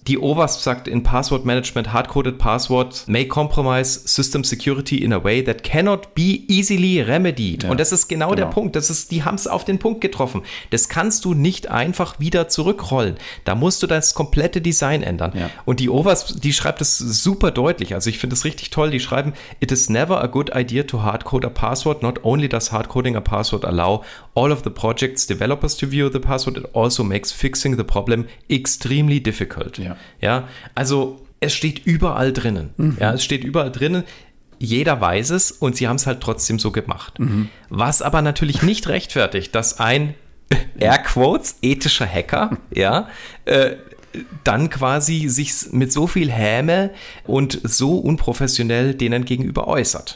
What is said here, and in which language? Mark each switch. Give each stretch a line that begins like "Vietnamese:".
German: Die OWASP sagt in
English: Password Management, hard-coded passwords may compromise system security in a way that cannot be easily remedied.
German: Ja. Und das ist genau der Punkt. Die haben es auf den Punkt getroffen. Das kannst du nicht einfach wieder zurückrollen. Da musst du das komplette Design ändern. Ja. Und die OWASP, die schreibt es super deutlich. Also ich finde es richtig toll. Die schreiben,
English: it is never a good idea to hardcode a password. Not only does hardcoding a password allow all of the project's developers to view the password, it also makes fixing the problem extremely difficult.
German: Ja, also es steht überall drinnen. Mhm. Ja, es steht überall drinnen. Jeder weiß es und sie haben es halt trotzdem so gemacht. Mhm. Was aber natürlich nicht rechtfertigt, dass ein, air quotes, ethischer Hacker, dann quasi sich mit so viel Häme und so unprofessionell denen gegenüber äußert.